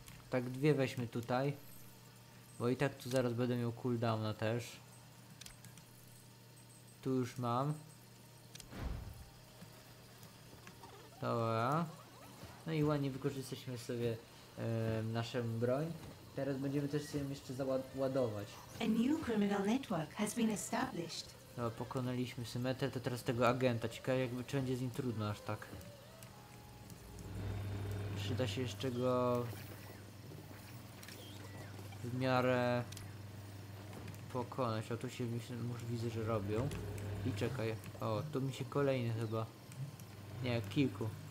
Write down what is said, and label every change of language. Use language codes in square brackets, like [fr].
[pl] Tak, 2 weźmy tutaj. Bo i tak tu zaraz będę miał cooldowna też. Tu już mam. Dobra. No i ładnie wykorzystaliśmy sobie naszą broń. Teraz będziemy też sobie jeszcze załadować. [en] A new criminal network has been established. [pl] Dobra, pokonaliśmy symetrę, to teraz tego agenta. Ciekawe, jakby czy będzie z nim trudno aż tak. Przyda się jeszcze go w miarę pokonać. O, tu się już widzę, że robią. I czekaj. O, tu mi się kolejny chyba. Nie, kilku.